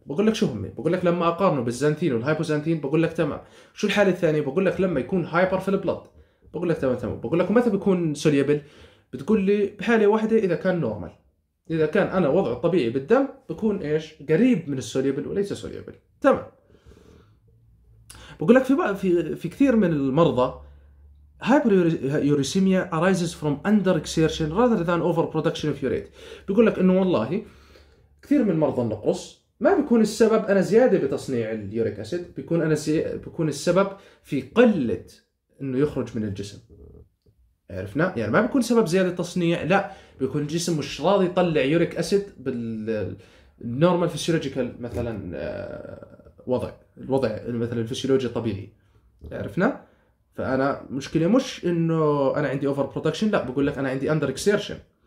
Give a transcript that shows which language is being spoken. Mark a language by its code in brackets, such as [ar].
[ar] بقول لك شو هم؟ بقول لك لما اقارنه بالزانثين والهايبوزانثين، بقول لك تمام. شو الحاله الثانيه؟ بقول لك لما يكون هايبر في البلد، بقول لك تمام. بقول لك متى بيكون انسوليبل؟ بتقول لي بحاله واحده اذا كان نورمال، اذا كان انا وضع طبيعي بالدم بكون ايش؟ قريب من السوليبل وليس سوليبل. تمام. بقول لك في كثير من المرضى هايبر يوريسيميا [en] arises from under exertion rather than over production of urate. [ar] بقول لك انه والله كثير من مرضى النقرس ما بيكون السبب انا زياده بتصنيع اليوريك اسيد، بيكون السبب في قله انه يخرج من الجسم، عرفنا؟ يعني ما بيكون سبب زياده تصنيع، لا بيكون الجسم مش راضي يطلع يوريك اسيد بالنورمال فيسيولوجيكال مثلا الوضع مثلا الفسيولوجي الطبيعي، عرفنا؟ فانا مشكله مش انه انا عندي اوفر برودكشن، لا بقول لك انا عندي اندر اكسيرشن.